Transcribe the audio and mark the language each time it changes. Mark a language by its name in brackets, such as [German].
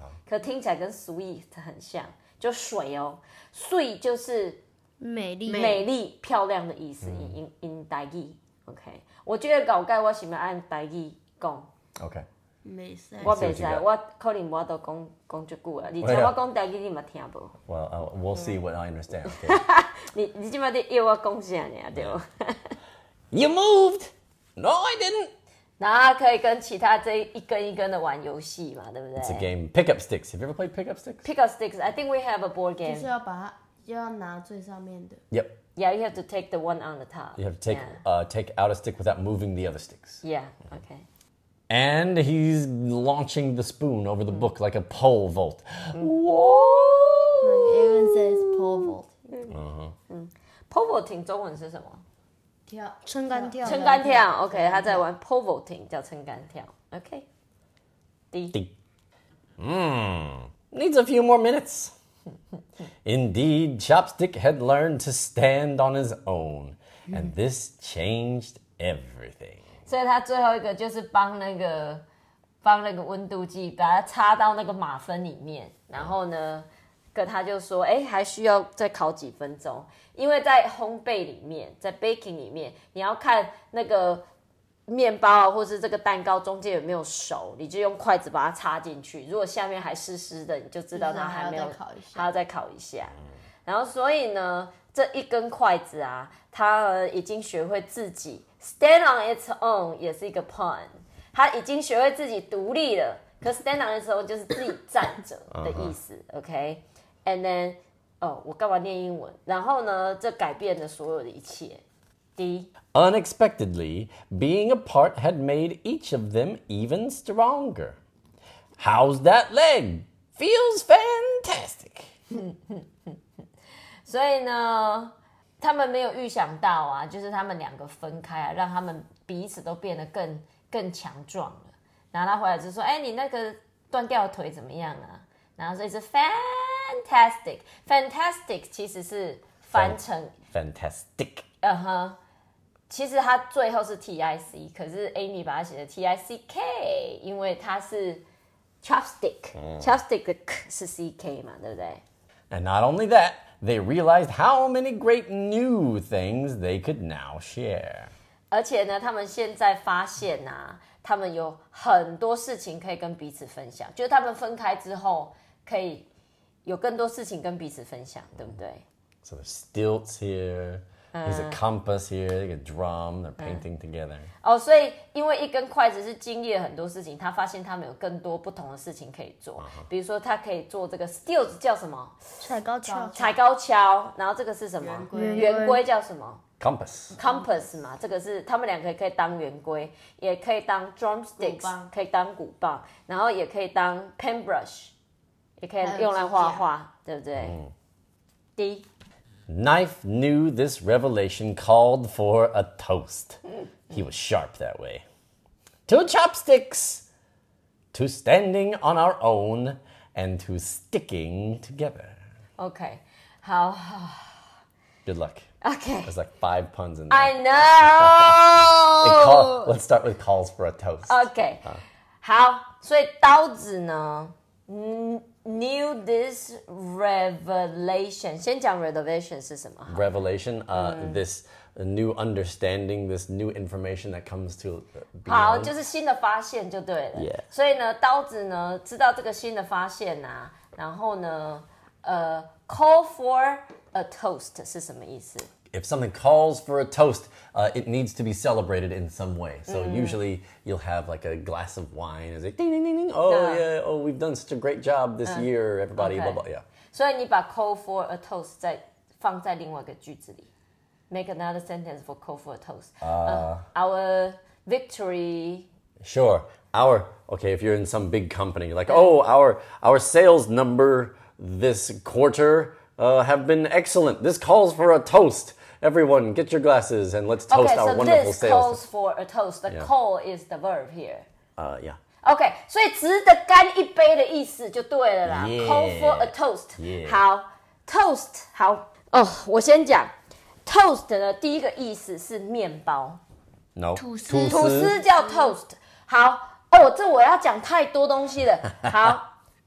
[Chinese] 可听起来跟 sweet 很像，就水哦。 sweet 就是美丽、美丽、漂亮的意思。in 台语 ，OK。我觉得搞怪，我是要按台语讲。 OK。没事，我没事，我可能我都讲一句啊。而且我讲台语，你嘛听不 [English] ？Well, we'll see what I understand.、Okay. [Chinese] 你今麦的要我讲啥呢？对不 [English] ？You moved. No, I didn't. [Chinese] 然后可以跟其他这一根一根的玩游戏嘛，对不对 [English] ？It's a game. Pick up sticks. Have you ever played pick up sticks? Pick up sticks. I think we have a board game. [Chinese] 就是要把它，就要拿最上面的。 [English] Yep. Yeah, you have to take the one on the top. You have to take,、yeah. Take out a stick without moving the other sticks. Yeah, okay. And he's launching the spoon over the book like a pole vault.、Whoa! Aaron says pole vault. [Chinese] Pole vaulting 中文是什么？跳撑杆跳，撑杆跳 ，OK， 他在玩 pole vaulting， 叫撑杆跳 ，OK。滴滴， [English] 嗯 ，needs a few more minutes. Indeed, Chopstick had learned to stand on his own, and this changed everything. [Chinese] 所以他最后一个就是帮那个温度计，把它插到那个马芬里面，然后呢，跟他就说，哎，还需要再烤几分钟。因为在烘焙里面，在 baking 里面，你要看那个面包啊，或是这个蛋糕中间有没有熟，你就用筷子把它插进去。如果下面还湿湿的，你就知道它还没有，还要再烤一下。还要再烤一下。然后，所以呢，这一根筷子啊，它已经学会自己 [English] stand on its own， [Chinese] 也是一个 pun， 它已经学会自己独立了。可 [English] stand on its own [Chinese] 就是自己站着的意思。 OK， [English] and then。 [Chinese] 哦，我干嘛念英文？然后呢，这改变了所有的一切。 [English] D. Unexpectedly, being apart had made each of them even stronger. How's that leg? Feels fantastic. [Chinese] 所以呢，他们没有预想到啊，就是他们两个分开啊，让他们彼此都变得更强壮了。然后他回来就说：“哎，你那个断掉的腿怎么样啊？” 然后所以是 fantastic， fantastic 其实是翻成 [English] fantastic， [Chinese] 嗯哼，其实它最后是 tic， 可是 Amy 把它写的 tick， 因为它是 chopstick，、chopstick 的 k 是 ck 嘛，对不对 [English] ？And not only that， they realized how many great new things they could now share。 [Chinese] 而且呢，他们现在发现啊，他们有很多事情可以跟彼此分享，就是他们分开之后可以。有更多事情跟彼此分享，对不对 [English] ？So there's stilts here. There's a compass here. A drum. They're painting together. [Chinese] 哦，所以因为一根筷子是经历了很多事情，他发现他们有更多不同的事情可以做。比如说，他可以做这个 stilts 叫什么？踩高跷。踩高跷。然后这个是什么？圆规叫什么 [English] ？Compass. [Chinese] Compass 嘛，这个是他们两个可以当圆规，也可以当 drumsticks， 可以当鼓棒，然后也可以当 pen brush。也可以用来画画，对不对？嗯。D. [English] Knife knew this revelation called for a toast. He was sharp that way. To chopsticks, to standing on our own, and to sticking together. Okay. 好。 Good luck. Okay. There's like five puns in there. I know. Let's start with calls for a toast. [Chinese] Okay.、好，所以刀子呢？ [English] Knew this revelation. [Chinese] 先讲 [English] revelation [Chinese] 是什么 [English] ？Revelation, this new understanding, this new information that comes to. [Chinese] 好，就是新的发现就对了。 [English] Yeah. [Chinese] 所以呢，刀子呢知道这个新的发现啊，然后呢， [English] call for a toast [Chinese] 是什么意思 [English] ？If something calls for a toast, it needs to be celebrated in some way. So usually you'll have like a glass of wine. It's like ding ding ding ding. Oh yeah. Oh, we've done such a great job this year, everybody.、Okay. Blah blah. Yeah. [Chinese] 所以你把 [English] call for a toast [Chinese] 再放在另外一个句子里 ， [English] make another sentence for call for a toast. Our victory. Sure. Our okay. If you're in some big company, like oh, our sales number this quarter have been excellent. This calls for a toast. Everyone, get your glasses and let's toast okay, our、 wonderful this sales. Okay, so this calls for a toast. The、yeah. call is the verb here. Yeah. [Chinese] Okay, 所以值得干一杯的意思就对了啦。 [English] Yeah. Call for a toast. Yeah. [Chinese] 好 ，toast 好。哦、oh, ，我先讲 ，toast 呢，第一个意思是面包。 [English] No. [Chinese] 吐司。吐司叫 toast。好，哦，这我要讲太多东西了。好，